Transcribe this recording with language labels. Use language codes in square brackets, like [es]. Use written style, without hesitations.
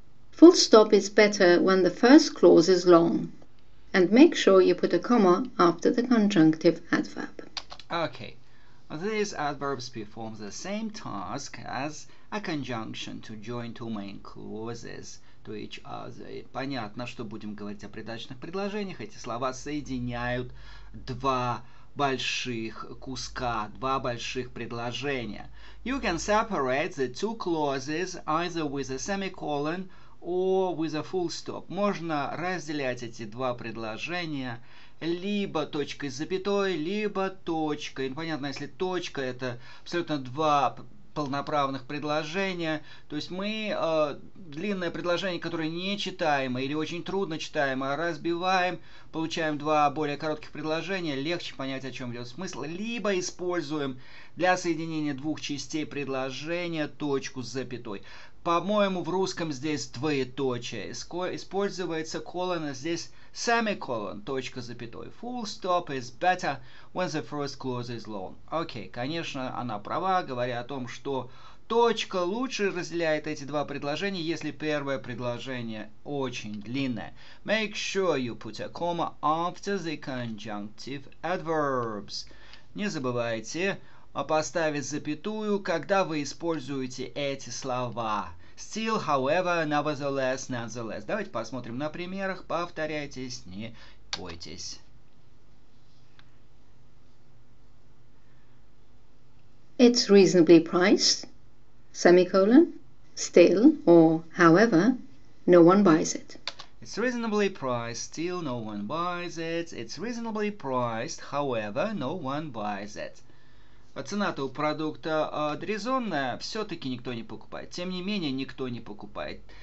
[en] Full stop is better when the first clause is long. And make sure you put a comma after the conjunctive adverb. Okay. These adverbs perform the same task as a conjunction to join two main clauses to each other. [ru] Понятно, что будем говорить о придаточных предложениях. Эти слова соединяют два больших предложения. [en] You can separate the two clauses either with a semicolon or with a full stop. [ru] Можно разделять эти два предложения либо точкой с запятой, либо точкой. Понятно, если точка – это абсолютно два полноправных предложения. То есть мы длинное предложение, которое нечитаемое или очень трудно читаемое, разбиваем, получаем два более коротких предложения, легче понять, о чем идет смысл. Либо используем для соединения двух частей предложения точку с запятой. По-моему, в русском здесь двоеточие. Используется colon, а здесь semicolon, точка с запятой. [en] Full stop is better when the first clause is long. [ru] Окей, конечно, она права, говоря о том, что точка лучше разделяет эти два предложения, если первое предложение очень длинное. [en] Make sure you put a comma after the conjunctive adverbs. [ru] Не забывайте поставить запятую, когда вы используете эти слова. [en] Still, however, nevertheless, nonetheless. [ru] Давайте посмотрим на примерах. Повторяйтесь, не бойтесь. [en] It's reasonably priced, semicolon, still, or however, no one buys it. It's reasonably priced, still, no one buys it. It's reasonably priced, however, no one buys it. [ru] Цена-то у продукта резонная, все-таки никто не покупает. Тем не менее, никто не покупает.